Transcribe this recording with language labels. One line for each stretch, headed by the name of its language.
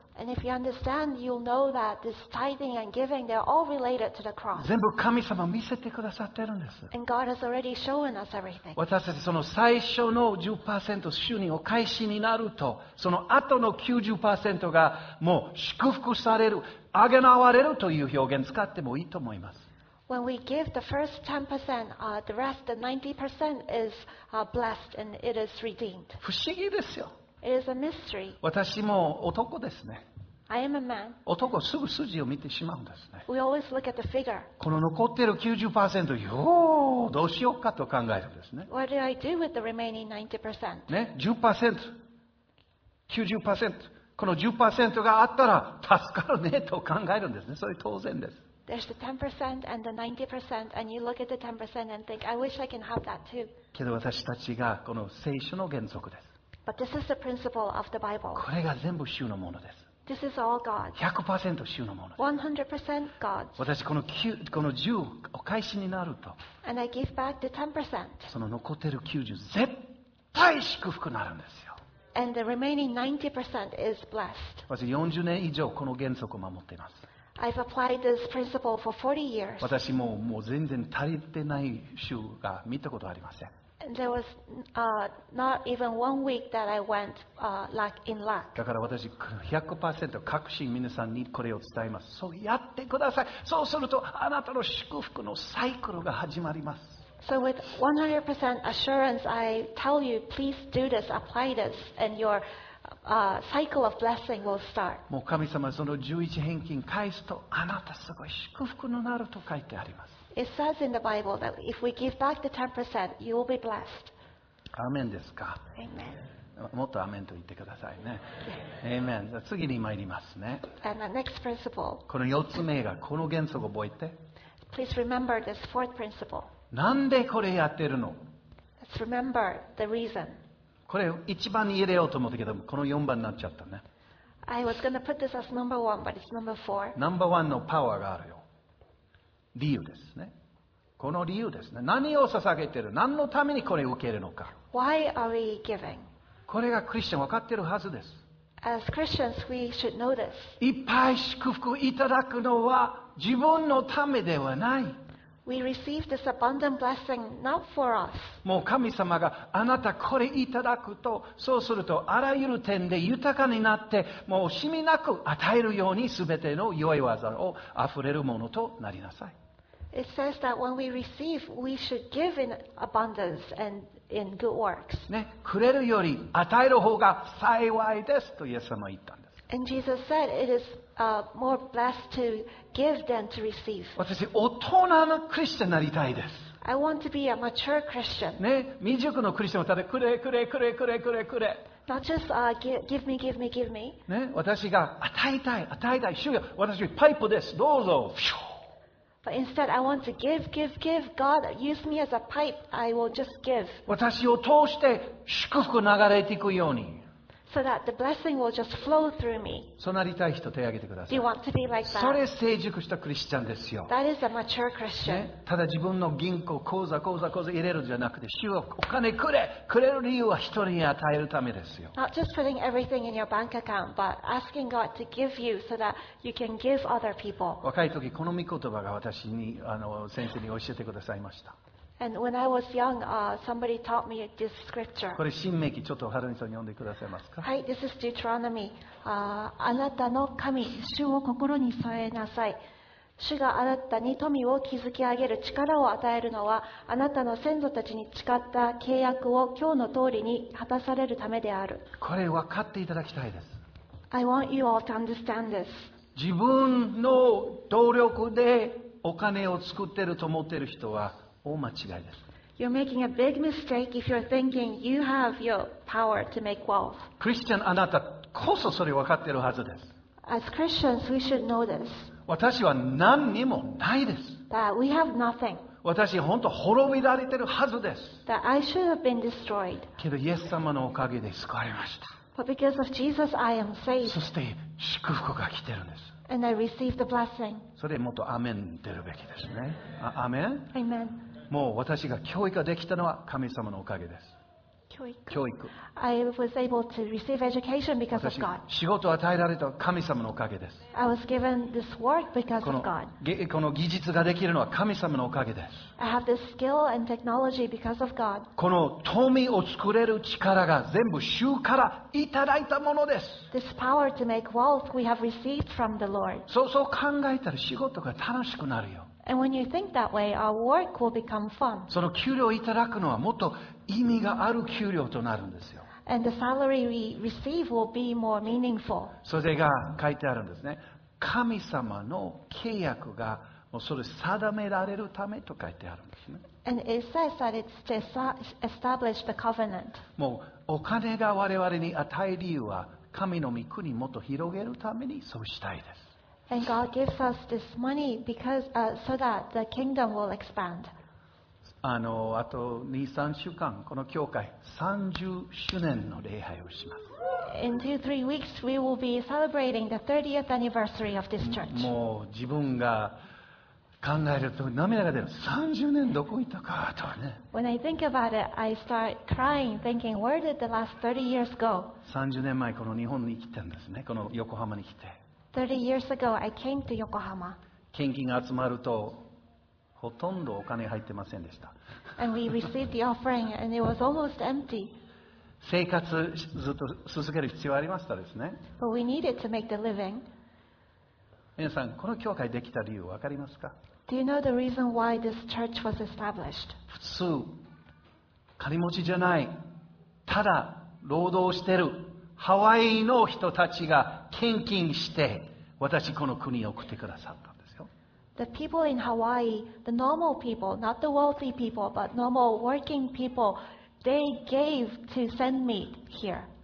English: And if you understand, you'll know that this tithing and giving, they're all related to the cross.
Japanese: 全部神様見せてくださってるんです。
English: And God has already shown us everything.
Japanese: 私たちその最初の 10% 収入お返しになると、その後の 90% がもう祝福される、あげなわれるという表現使ってもいいと思います。
English: When we give the first 10%, the rest, the 90% is blessed and it is redeemed.
Japanese: 不思議ですよ。
English: It is a mystery.
Japanese: 私も男ですね。
English: I am a man.
Japanese: 男すぐ数字を見てしまうんですね。
English: We always look at the figure.
Japanese: この残っている 90%、よー、どうしようかと考えるんですね。 What do I do with the remaining 90%? ね、10%、90%、この10%があったら助かるねと考えるんですね。それ当然です。
English: There's the 10% and the 90%, and you look at the 10% and think, I wish I can have that too.
Japanese: けど私たちがこの聖書の原則です。
English: But this is the principle of the Bible.
Japanese: これが全部主のものです。
English: This is all God.
Japanese: 100% 主のもの。
English: 100% God.
Japanese: 私この9、この10お返しになると。
English: And I give back the 10%.
Japanese: その残ってる90、絶対祝福になるんですよ。
English: And the remaining 90% is blessed.
Japanese: 私40年以上この原則を守っています。
English: I've applied this principle for 40 years.
Japanese: 私ももう全然足りてない週が見たことありません。
English: There was not even one week that I went in lack.
Japanese: だから私 100% 確信皆さんにこれを伝えます。そうやってください。そうするとあなたの祝福のサイクルが始まります。
English: So with 100% assurance, I tell you, please do this, apply this, and your cycle of blessing will start.
Japanese: もう神様その十一返金返すとあなたすごい祝福になると書いてあります。
English: It says in the Bible that if we give back the 10%, you will be blessed.
Japanese: アーメンですか。
English: Amen.
Japanese: もっとアーメンと言ってくださいね。 Amen. 次に参りますね。
English: And the next principle.
Japanese: この四つ目がこの原則を覚えて。
English: Please remember this fourth principle.
Japanese: なんでこれやってるの。
English: Let's remember the reason.
Japanese: これ一番に入れようと思ったけどこの4番になっちゃったね。
English: I was going to put this as number one, but it's number four.
Japanese: ナンバーワンのパワーがあるよ。理由ですね。この理由ですね。何を捧げてる？何のためにこれを受けるのか。
English: Why are we giving?
Japanese: これがクリスチャン分かってるはずです。
English: As Christians, we should know this.
Japanese: いっぱい祝福いただくのは自分のためではない。
English: We receive this abundant blessing not for us.
Japanese: もう神様があなたこれいただくと、そうするとあらゆる点で豊かになって、もう惜しみなく与えるようにすべての良い技をあふれるものとなりなさい。
English: It says that when we receive, we should give in abundance and in good works.
Japanese: ね、くれるより与える方が幸いですとイエス様は言ったんです。
English: And Jesus said, it is more blessed to give than to receive.
Japanese: 私、大人のクリスチャンになりたいです。
English: I want to be a mature Christian.
Japanese: ね、未熟のクリスチャンはただくれくれくれくれくれくれ。
English: Not just give me, give me, give me.
Japanese: ね、私が与えたい、与えたい、主よ、私パイプです。どうぞ。
English: But instead, I want to give, give, give. God, use me as a pipe. I will just give.
Japanese: 私を通して祝福流れていくように。
English: So that the blessing will just flow through me.
Japanese: そうなりたい人手を挙げてください。
English: Do you want to be like that?
Japanese: それ成熟したクリスチャンですよ。
English: That is a mature Christian. ね、
Japanese: ただ自分の銀行、口座、口座、口座入れるじゃなくて、主はお金くれ、くれる理由は人に与えるためですよ。
English: Not just putting everything in your bank account, but asking God to give you so that you can give other people.
Japanese: 若い時この御言葉が私に先生に教えてくださいました。
English: And when I was young, somebody taught me this scripture.
Japanese: これ新明記ちょっとハルミさん読んでくださいますか。
English: はい、This is Deuteronomy.
Japanese: あなたの神、主を心に添えなさい。主があなたに富を築き上げる力を与えるのは、あなたの先祖たちに誓った契約を今日の通りに果たされるためである。これ分かっていただきたいです。
English: I want you all to understand this.
Japanese: 自分の努力でお金を作ってると思っている人は、大間違いです。
English: You're making a big mistake if you're thinking you have your power to make wealth.
Japanese: クリスチャン、あなたこそそれ分かっているはずです。
English: As Christians, we should know this.
Japanese: 私は何にもないです。
English: That we have nothing.
Japanese: 私本当滅びられているはずです。
English: That I should have been destroyed.
Japanese: けどイエス様のおかげで救われました。
English: But because of Jesus, I am saved.
Japanese: そして祝福が来ているんです。
English: And I received the blessing.
Japanese: それもっとアメン出るべきですね。アメン。
English: Amen.
Japanese: もう私が教育ができたのは神様のおかげです。
English: 教育。I was able to receive education because of God.
Japanese: 仕事を与えられた神様のおかげです。
English: I was given this work because of God.
Japanese: この技術ができるのは神様のおかげです。
English: I have this skill and technology because of God.
Japanese: この富を作れる力が全部主からいただいたものです。
English: This power to make wealth we have received from the Lord.
Japanese: そう考えたら仕事が楽しくなるよ。
English: And when you think that way, our work will become fun.
Japanese: その給料をいただくのはもっと意味がある給料となるんですよ。
English: And the salary we receive will be more meaningful.
Japanese: それが書いてあるんですね。神様の契約がもうそれ定められるためと書いてあるんですね。
English: And it says that it's to establish the covenant.
Japanese: もうお金が我々に与える理由は神の御国をもっと広げるためにそうしたいです。
English: And God gives us this money because, so that the kingdom will expand.
Japanese: あと 2-3 週間、この教会30周年の礼拝をします。
English: In 2-3 weeks, we will be celebrating the 30th anniversary of this church.
Japanese: もう自分が考えると涙が出る。 30年どこ行ったかとはね。
English: When I think about it, I start crying, thinking, where did the last 30 years go?
Japanese: 30年前この日本に来てんですね。この横浜に来て。
English: 30 years ago, I came to Yokohama.
Japanese: 献金が集まるとほとんどお金入ってませんでした。
English: And we received the offering, and it was almost empty.
Japanese: 生活ずっと続ける必要ありましたですね。
English: But we needed to make the living.
Japanese: 皆さん、この教会できた理由わかりますか？
English: Do you know the reason why this church was established?
Japanese: 普通、金持ちじゃない、ただ労働してる。ハワイの人たちが献金して私この国に送ってくださったんですよ。
English: The people in Hawaii, the normal people, not the wealthy people, but normal working people, they gave to send me here.